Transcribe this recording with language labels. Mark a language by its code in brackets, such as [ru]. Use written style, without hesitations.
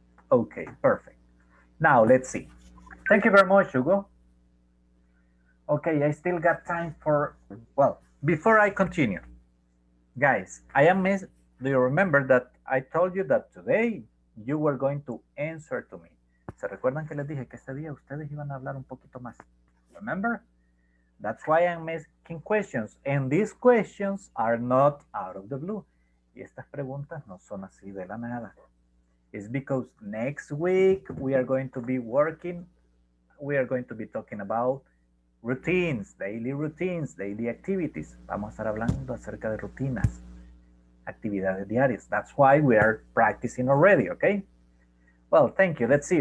[en] Oh. Okay, perfect. Now let's see. Thank you very much, Hugo. Okay, I still got time for, well, before I continue, guys, do you remember that I told you that today you were going to answer to me? [es] ¿Se recuerdan que les dije que este día ustedes iban a hablar un poquito más? [en] Remember? That's why I'm asking questions. And these questions are not out of the blue. [es] Y estas preguntas no son así de la nada. [en] It's because next week we are going to be working. We are going to be talking about routines, daily activities. [es] Vamos a estar hablando acerca de rutinas, actividades diarias. [en] That's why we are practicing already, okay? Well, thank you. Let's see.